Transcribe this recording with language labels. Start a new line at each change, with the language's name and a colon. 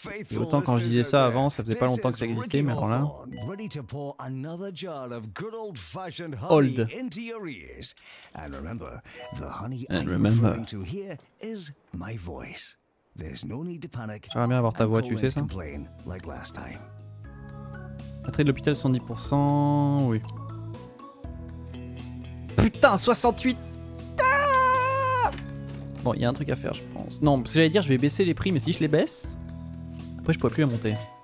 French: Et autant quand je disais ça avant, ça faisait pas longtemps que ça existait, mais voilà.
English: Ready to pour another jar of good old fashioned honey into your ears. And remember, the honey I'm referring to here is my voice. There's no need to panic.
French: J'aimerais bien avoir ta voix, tu sais ça. Attrait de l'hôpital 110%, oui. Putain, 68. Bon, il y a un truc à faire, je pense. Non, parce que j'allais dire, je vais baisser les prix, mais si je les baisse, après, je pourrais plus les monter.